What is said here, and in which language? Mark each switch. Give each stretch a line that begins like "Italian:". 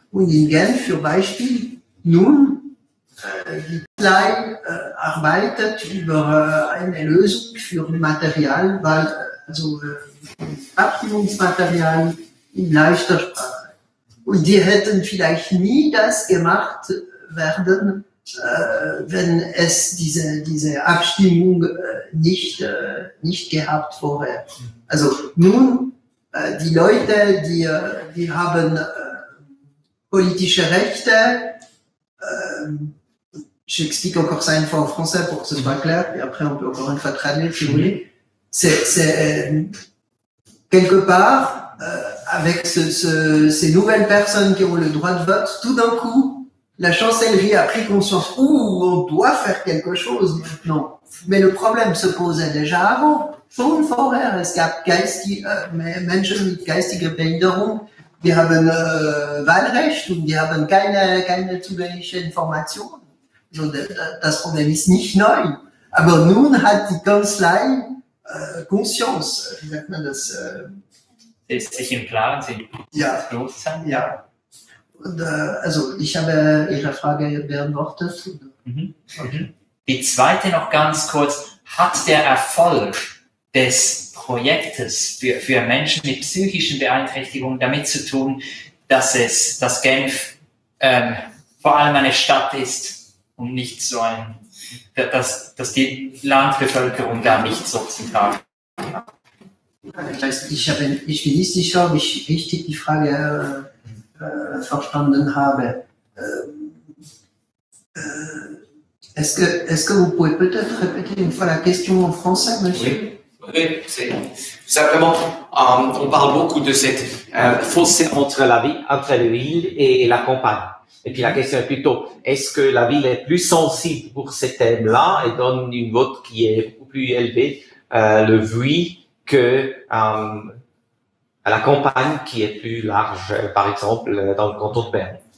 German: Und in Genf zum Beispiel, nun, die Klein arbeitet über eine Lösung für Material, also Abstimmungsmaterial in leichter Sprache. Und die hätten vielleicht nie das gemacht werden, wenn es diese Abstimmung nicht gehabt vorher. Also nun, die Leute, die haben politische Rechte,
French: je explique encore ça une fois en français pour que ce soit clair, et après on peut encore une fois traduire si vous voulez. C'est quelque part, avec ces nouvelles personnes qui ont le droit de vote, tout d'un coup, la chancellerie a pris conscience où on doit faire quelque chose maintenant. Mais le problème se posait déjà avant.
German: Schon vorher, es gab geistige Menschen mit geistiger Behinderung, die haben Wahlrecht und die haben keine zugängliche Information. So, das Problem ist nicht neu. Aber nun hat die Kanzlei Conscience, wie sagt man das? Ist sich im Klaren, sie ja. Bewusstsein? Ja. Und, also ich habe Ihre Frage beantwortet. Mhm. Okay. Die zweite noch ganz kurz. Hat der Erfolg des Projektes für Menschen mit psychischen Beeinträchtigungen damit zu tun, dass Genf vor allem eine Stadt ist und nicht so ein, dass die Landbevölkerung da nicht so zum Tragen kommt? Ich bin nicht sicher, ob ich richtig die Frage verstanden habe.
French: Est-ce que vous pouvez peut-être répéter une fois la question en français, monsieur? Oui. Oui, c'est simplement, on parle beaucoup de cette fossé entre la ville, entre la ville et la campagne. Et puis la question est plutôt, est-ce que la ville est plus sensible pour ces thèmes-là et donne une vote qui est beaucoup plus élevée, le oui, que la campagne qui est plus large, par exemple, dans le canton de Berne?